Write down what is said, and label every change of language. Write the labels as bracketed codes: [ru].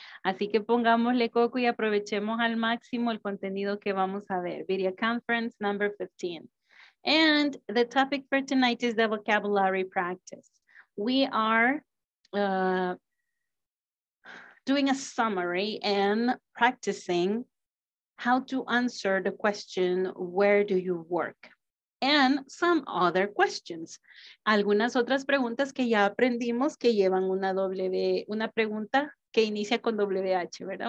[es] Así que pongámosle coco y aprovechemos al máximo el contenido que vamos a ver. [en] Video conference number 15. And the topic for tonight is the vocabulary practice. We are doing a summary and practicing how to answer the question, where do you work? And some other questions. [es] Algunas otras preguntas que ya aprendimos que llevan una W, una pregunta que inicia con WH, ¿verdad?